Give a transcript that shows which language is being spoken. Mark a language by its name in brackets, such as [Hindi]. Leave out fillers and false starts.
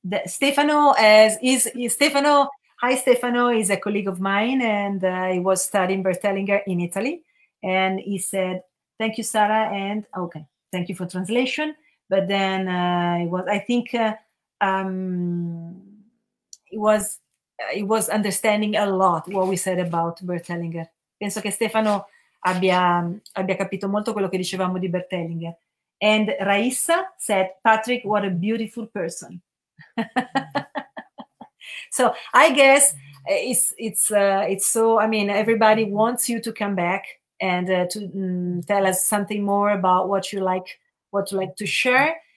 [English] Stefano, hi Stefano, is a colleague of mine and he was studying Bertellinger in Italy. And he said, thank you, Sara, and okay, thank you for translation. But then it was understanding a lot what we said about Bertellinger. [Italian] Penso che Stefano abbia capito molto quello che dicevamo di Bertellinger. [English] And Raissa said, Patrick, what a beautiful person. So I guess I mean, everybody wants you to come back and to tell us something more about what you like to share.